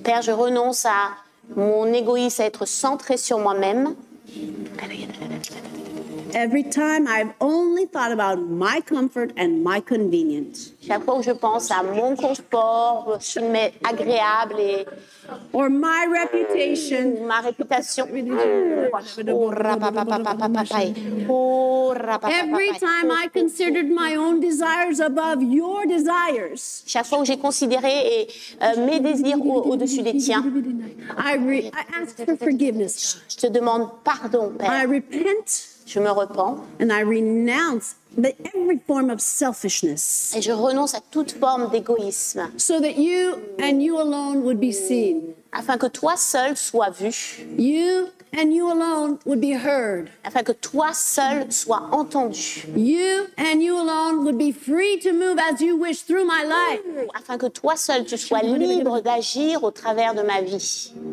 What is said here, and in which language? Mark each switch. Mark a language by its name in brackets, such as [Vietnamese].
[French] Père, je renonce à mon égoïsme, à être centré sur moi-même. [English] Every time I've only thought about my comfort and my convenience. [French] Chaque fois que je pense à mon confort, je me mets agréable et [English] or my reputation. [French] Ma réputation. [English] Every time I considered my own desires above your desires. [French] Chaque fois que j'ai considéré et mes désirs au-dessus des tiens. [English] I ask for forgiveness. [French] Je te demande pardon, Père. [English] I repent. [French] Je me repens. [English] And I renounce every form of selfishness. [French] Et je renonce à toute forme d'égoïsme. [English] So that you and you alone would be seen. [French] Afin que toi seul sois vu. [English] You and you alone would be heard. [French] Afin que toi seul sois entendu. [English] You and you alone would be free to move as you wish through my life. [French] Afin que toi seul tu sois libre d'agir au travers de ma vie.